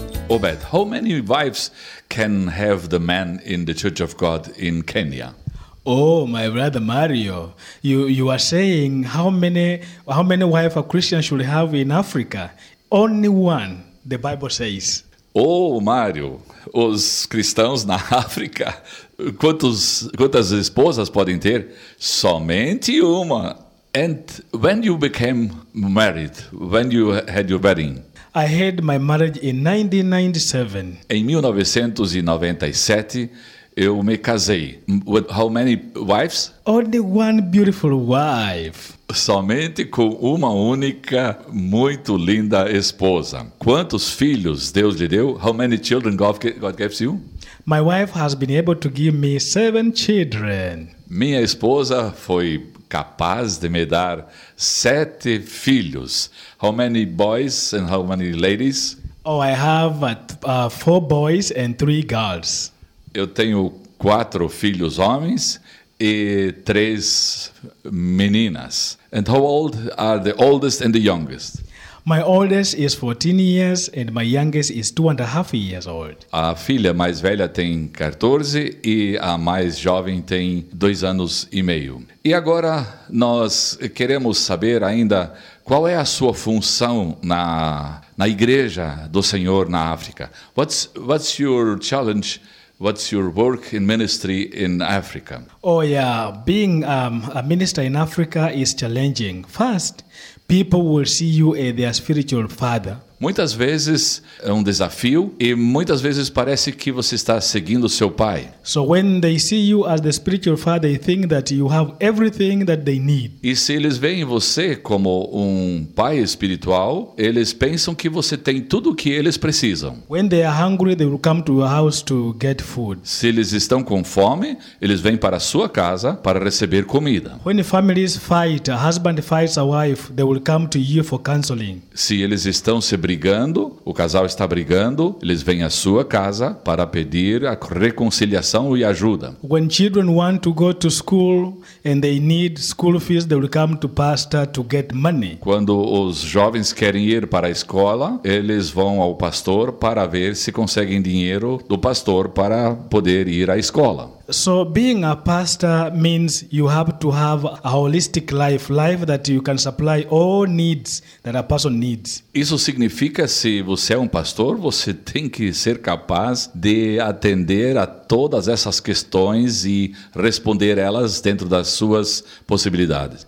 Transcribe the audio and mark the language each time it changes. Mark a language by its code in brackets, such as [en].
[en] Obed, how many wives can have the man in the Church of God in Kenya? Oh, my brother Mario, you are saying how many wives a Christian should have in Africa? Only one, the Bible says. [pt] Oh, Mario, os cristãos na África, quantas esposas podem ter? Somente uma. [en] And when you became married, when you had your wedding? I had my marriage in 1997. [pt] Em 1997, eu me casei. [en] With how many wives? Only one beautiful wife. [pt] Somente com uma única, muito linda esposa. Quantos filhos Deus lhe deu? [en] How many children God gave you? My wife has been able to give me 7 children. [pt] Minha esposa foi capaz de me dar 7 filhos. [en] How many boys and how many ladies? Oh, I have 4 boys and 3 girls. [pt] Eu tenho 4 filhos homens e 3 meninas. [en] And how old are the oldest and the youngest? My oldest is 14 years and my youngest is 2.5 years old. [pt] A filha mais velha tem 14 e a mais jovem tem 2 anos e meio. E agora nós queremos saber ainda qual é a sua função na igreja do Senhor na África. [en] What's your challenge? What's your work in ministry in Africa? Oh yeah, being a minister in Africa is challenging. First, people will see you as their spiritual father. [pt] Muitas vezes é um desafio e muitas vezes parece que você está seguindo seu pai. [en] So when they see you as the spiritual father, they think that you have everything that they need. [pt] E se eles veem você como um pai espiritual, eles pensam que você tem tudo o que eles precisam. [en] When they are hungry, they will come to your house to get food. [pt] Se eles estão com fome, eles vêm para a sua casa para receber comida. [en] When families fight, a husband fights a wife, they will come to you for counseling. [pt] Se eles estão brigando, o casal está brigando, eles vêm à sua casa para pedir a reconciliação e ajuda. [en] When children want to go to school and they need school fees, they will come to pastor to get money. [pt] Quando os jovens querem ir para a escola, eles vão ao pastor para ver se conseguem dinheiro do pastor para poder ir à escola. [en] So being a pastor means you have to have a holistic life, life that you can supply all needs that a person needs. [pt] Isso significa, se você é um pastor, você tem que ser capaz de atender a todas essas questões e responder elas dentro das suas possibilidades.